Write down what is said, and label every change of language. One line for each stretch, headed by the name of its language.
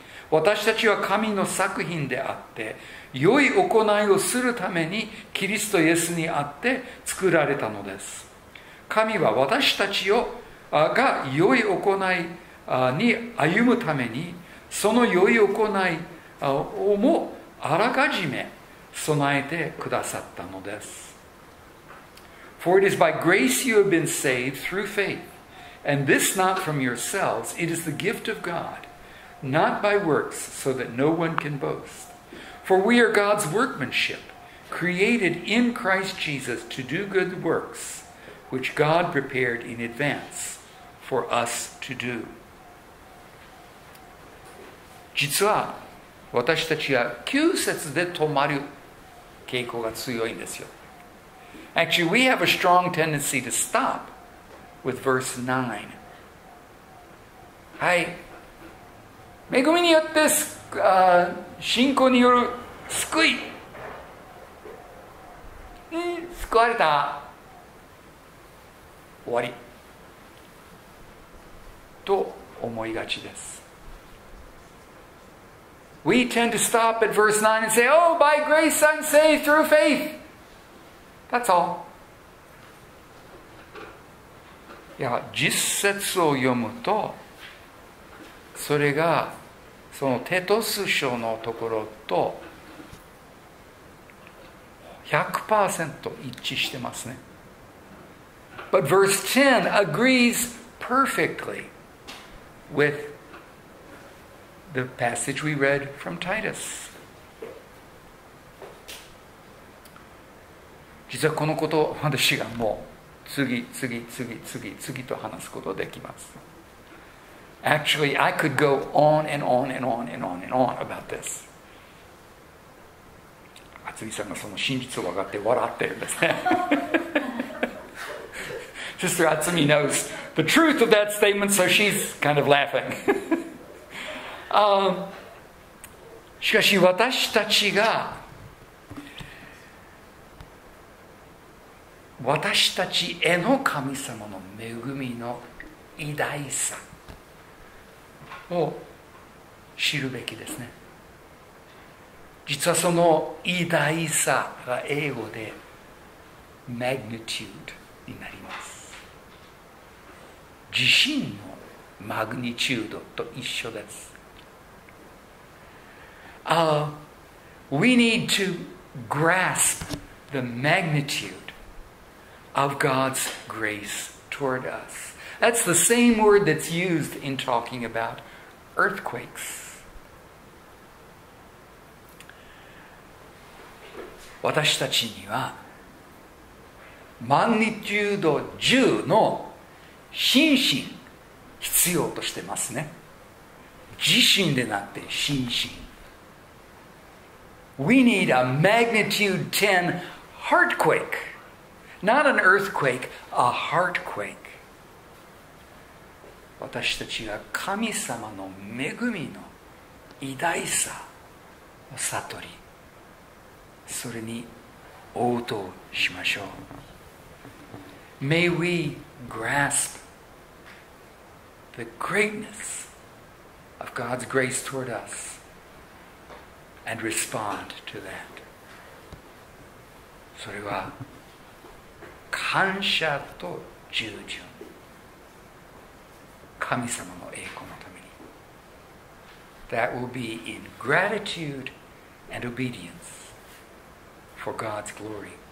Japanese: 私たちは神の作品であって良い行いをするためにキリストイエスにあって作られたのです。神は私たちをが良い行いに歩むためにその良い行いをもあらかじめ備えてくださったのです。
English: For it is by grace you have been saved through faith, and this not from yourselves, it is the gift of God, not by works, so that no one can boastFor we are God's workmanship, created in Christ Jesus to do good works, which God prepared in advance for us to do.
Japanese: 実は私たちは9節で止まる傾向が強いんですよ。
English: Actually, we have a strong tendency to stop with verse 9. はい。
Japanese: 恵みによって信仰による救い、救われた、終わりと思いがちです。
English: We tend to stop at verse 9 and say, "Oh, by grace I'm saved through faith." That's all.
Japanese: いや、実節を読むと、それがそのテトス書のところと。 100% 一致してますね。
English: But verse 10 agrees perfectly with the passage we read from Titus.
Japanese: 実はこのこと私がもう次次次次次と話すことができます。
English: Actually, I could go on and on and on and on and on about this.
Japanese: 厚木さんがその真実を分かって笑ってるんですね。
English: Sister Atsumi knows the truth of that statement, so she's kind of laughing.
Japanese: しかし私たちが私たちへの神様の恵みの偉大さを知るべきですね。実はその偉大さが英語で magnitude になります。地震のマグニチュードと一緒です。
English: We need to grasp the magnitude of God's grace toward us. That's the same word that's used in talking about earthquakes.
Japanese: 私たちにはマグニチュード10の心身必要としてますね。地震でなくて心身。
English: We need a magnitude 10 heartquake. Not an earthquake, a heartquake.
Japanese: 私たちが神様の恵みの偉大さを悟り、それに応答しましょう。
English: May we grasp the greatness of God's grace toward us. And respond to that.
Japanese: それは感謝と従順、神様の栄光のために。
English: That will be in gratitude and obedience for God's glory.